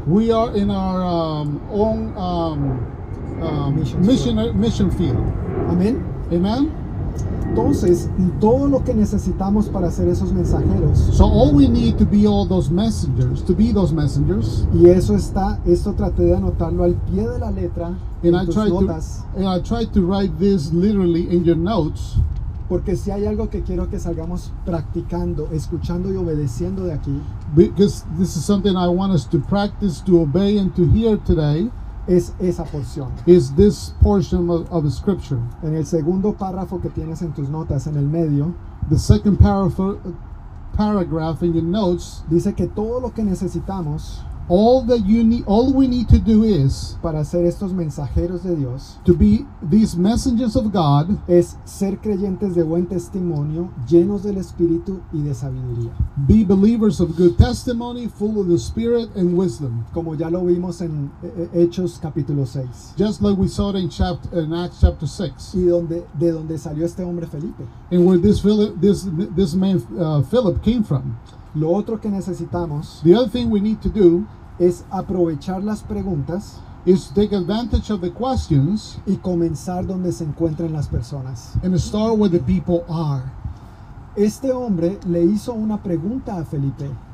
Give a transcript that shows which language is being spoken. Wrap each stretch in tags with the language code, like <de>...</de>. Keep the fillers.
<en>We are in our um, own um, um, mission, mission field. Amén. Amen. Amen.</en> <es>Entonces, todo lo que necesitamos para ser esos mensajeros.</es> <en>So all we need to be all those messengers, to be those messengers.</en> <es>Y eso está, esto traté de anotarlo al pie de la letra en I tus notas.</es> <en>To, and I tried to write this literally in your notes.</en> <es>Porque si hay algo que quiero que salgamos practicando, escuchando y obedeciendo de aquí.</es> <en>Because this is something I want us to practice, to obey and to hear today</en> <es>es esa porción.</es> <en>Is this portion of, of the scripture?</en> <es>En el segundo párrafo que tienes en tus notas en el medio,</es> <en>the second paragraph in the notes</en> <es>dice que todo lo que necesitamos</es> <en>All that you need, all we need to do is</en> <es>Dios,</es> <en>to be these messengers of God</en> <es>es ser creyentes de buen testimonio, llenos del espíritu y de sabiduría.</es> <en>Be believers of good testimony, full of the spirit and wisdom,</en> <es>como ya lo vimos en Hechos capítulo 6.</es> <en>Just like we saw in chapter in Acts chapter 6.</en> <es>Y donde de donde salió este hombre Felipe.</es> <en>And where this, Philip, this, this man uh, Philip came from. the other thing we need to do</en> <es>es aprovechar las preguntas</es> <en>advantage questions</en> <es>y comenzar donde se encuentran las personas</es> <en>and start where the people are</en> <es>este hombre le hizo una pregunta a Felipe</es>